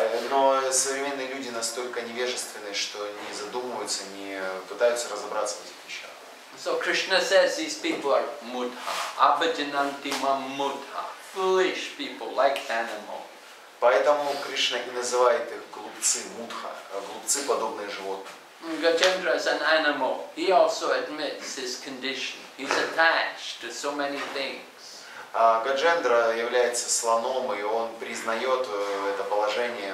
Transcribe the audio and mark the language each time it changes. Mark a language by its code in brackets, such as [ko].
[ru] Но современные люди настолько невежественны, что не задумываются, не пытаются разобраться в этих вещах. [en] So Krishna says these people are mudha, [sa] abhijananti mam mudha, [en] foolish people like animal. [ru] Поэтому Кришна и называет их глупцы, мудха, глупцы подобные животным. [en] Gajendra is an animal. He also admits his condition. He's attached to so many things. [ru] Gajendra является слоном, и он признает это положение.